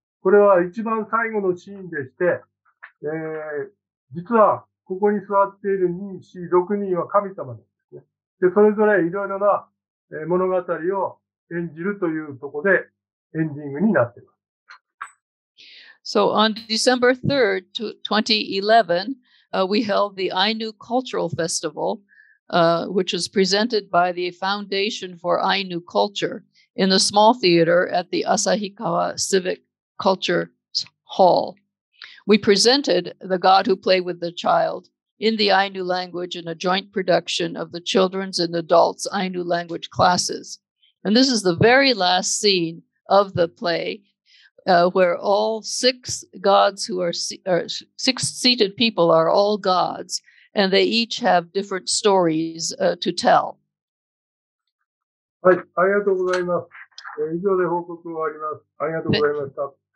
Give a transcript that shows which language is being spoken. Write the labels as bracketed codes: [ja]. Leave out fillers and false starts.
[ja] これは一番最後のシーンでして、実はここに座っている2、4、6人は神様なんですね。で、それぞれいろいろな物語を演じるというところでエンディングになっています。 [en] So on December 3rd, 2011,、we held the Ainu Cultural Festival,、which was presented by the Foundation for Ainu Culture in the small theater at the Asahikawa Civic Culture Hall. We presented The God Who Played with the Child in the Ainu language in a joint production of the children's and adults' Ainu language classes. And this is the very last scene of the play,where all six gods who are six seated people are all gods, and they each have different stories、to tell. [ja] はい、ありがとうございます。以上で報告を終わります。ありがとうございました。